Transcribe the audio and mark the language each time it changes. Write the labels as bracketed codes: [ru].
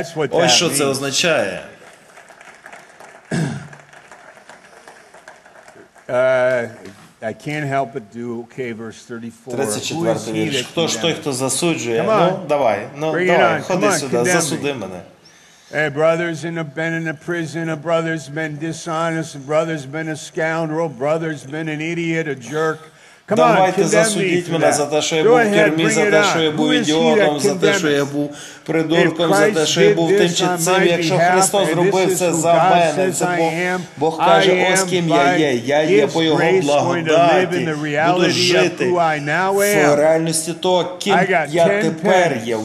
[uk] Ось що це означає. [en] I can't help but do okay verse 34. Who is he? [uk] Хто ж той, хто засуджує? Ну, давай. Ну, ходи сюди, засуди мене. [en] A brother's been in a prison, a brother's been dishonest, a brother's been a scoundrel, a brother's been an idiot, a jerk. [uk] Давайте засудіть мене за те, що я був в тюрмі, за те, що я був ідіотом, за те, що я був придурком, за те, що я був тим чи цим. Якщо Христос зробив це за мене, це Бог каже, ось ким я є по Його благодаті, буду жити в реальності того, ким я тепер є.